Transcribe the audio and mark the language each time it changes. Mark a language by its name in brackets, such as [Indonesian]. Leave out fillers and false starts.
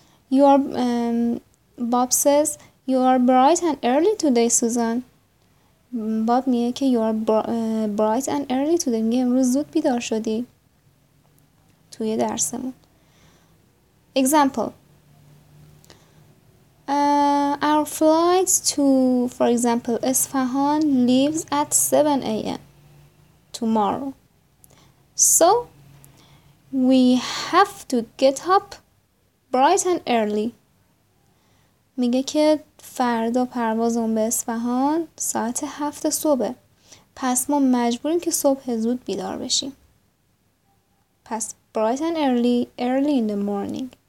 [English] Bob says, you are bright and early today, Susan. [Persian] باب میگه که [English] you are bright and early today. [Persian] میگه امروز زود بیدار شدی توی درسمون. [English] Example. Our flight to, for example, Isfahan leaves at 7 a.m. tomorrow. So, we have to get up bright and early. [Persian] میگه که فردا پروازمون به اصفهان ساعت 7 صبح، پس ما مجبوریم که صبح زود بیدار بشیم. [English] پس bright and early, early in the morning.